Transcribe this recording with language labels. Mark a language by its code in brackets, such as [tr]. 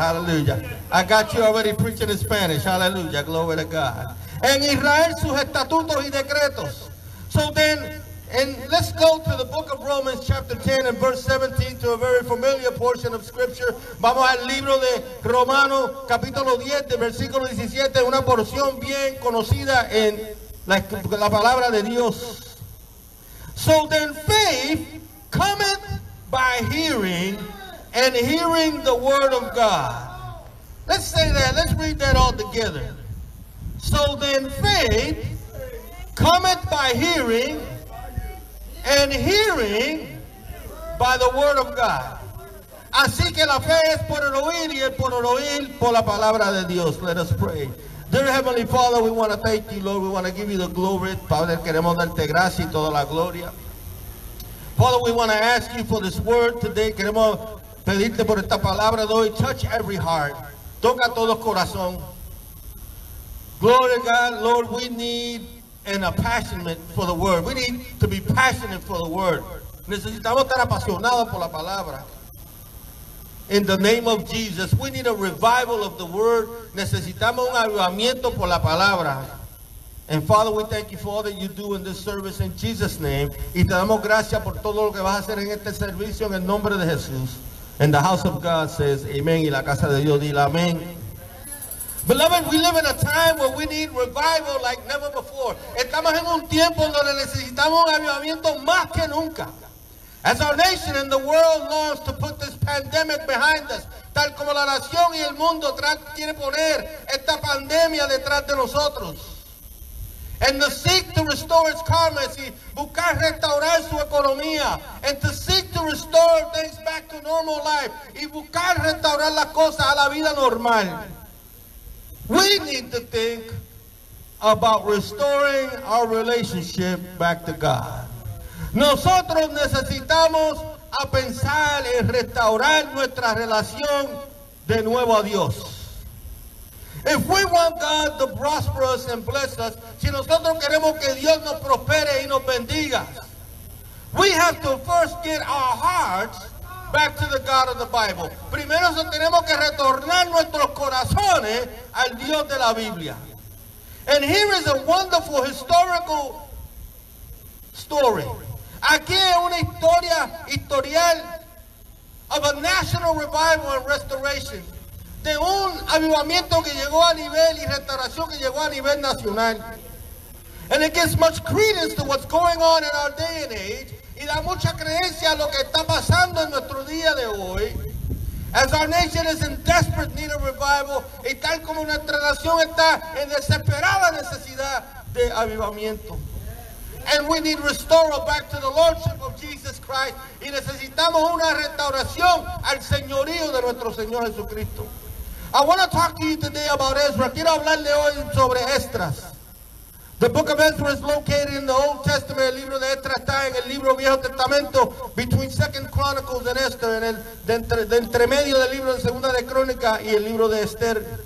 [en] Hallelujah. I got you already preaching in Spanish. Hallelujah. Glory to God. [es] En Israel sus estatutos y decretos. [en] So then, and let's go to the book of Romans chapter 10 and verse 17 to a very familiar portion of scripture. [es] Vamos al libro de Romanos capítulo 10, de versículo 17, una porción bien conocida en la palabra de Dios. [en] So then faith cometh by hearing, and hearing the word of God. Let's say that, let's read that all together. So then faith cometh by hearing, and hearing by the word of God. [es] Así que la fe es por el oír, y el por el oír por la palabra de Dios. [en] Let us pray. Dear Heavenly Father, we want to thank you, Lord. We want to give you the glory. [es] Padre, queremos darte gracias y toda la gloria. [en] Father, we want to ask you for this word today. [es] Queremos pedirte por esta palabra de hoy. [en] Touch every heart. [es] Toca todo corazón. [en] Glory to God, Lord, we need an appassionment for the word. We need to be passionate for the word. [es] Necesitamos estar apasionados por la palabra. [en] In the name of Jesus, we need a revival of the word. [es] Necesitamos un avivamiento por la palabra. [en] And Father, we thank you for all that you do in this service in Jesus' name. [es] Y te damos gracias por todo lo que vas a hacer en este servicio en el nombre de Jesús. [en] And the house of God says, amen. [es] Y la casa de Dios dice, amén. [en] Beloved, we live in a time where we need revival like never before. [es] Estamos en un tiempo donde necesitamos un avivamiento más que nunca. [en] As our nation and the world longs to put this pandemic behind us, [es] tal como la nación y el mundo quiere poner esta pandemia detrás de nosotros, [en] and to seek to restore its karma, [es] y buscar restaurar su economía, [en] and to seek to restore things back to normal life, [es] y buscar restaurar las cosas a la vida normal. [en] We need to think about restoring our relationship back to God. [es] Nosotros necesitamos a pensar en restaurar nuestra relación de nuevo a Dios. [en] If we want God to prosper us and bless us, [es] si nosotros queremos que Dios nos prospere y nos bendiga, [en] we have to first get our hearts back to the God of the Bible. [es] Primero tenemos que retornar nuestros corazones al Dios de la Biblia. [en] And here is a wonderful historical story. [es] Aquí hay una historia historial [en] of a national revival and restoration. [es] De un avivamiento que llegó a nivel y restauración que llegó a nivel nacional. [en] And it gives much credence to what's going on in our day and age. [es] Y da mucha creencia a lo que está pasando en nuestro día de hoy. [en] As our nation is in desperate need of revival, [es] y tal como nuestra nación está en desesperada necesidad de avivamiento. [en] And we need restoral back to the Lordship of Jesus Christ. [es] Y necesitamos una restauración al señorío de nuestro Señor Jesucristo. [en] I want to talk to you today about Ezra. [es] Quiero hablarle hoy sobre Esdras. [en] The book of Ezra is located in the Old Testament. [es] El libro de Ezra está en el libro Viejo Testamento, [en] between 2 Chronicles and Esther, [es] en el entremedio del libro de Segunda de Crónica y el libro de Esther.